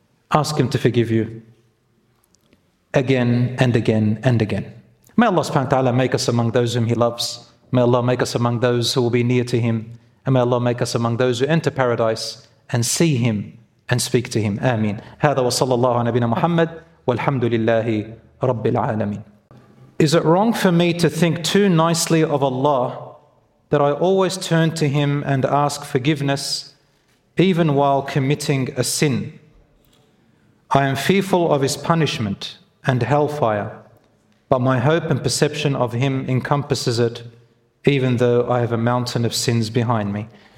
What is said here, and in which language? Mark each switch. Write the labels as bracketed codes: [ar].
[en] Ask Him to forgive you. Again and again and again. May Allah subhanahu wa ta'ala make us among those whom He loves. May Allah make us among those who will be near to Him. And may Allah make us among those who enter paradise and see Him and speak to Him. Ameen. [ar] هذا وصلى الله على نبينا محمد والحمد لله رب العالمين. [en] Is it wrong for me to think too nicely of Allah that I always turn to Him and ask forgiveness even while committing a sin? I am fearful of His punishment and hellfire, but my hope and perception of Him encompasses it, even though I have a mountain of sins behind me.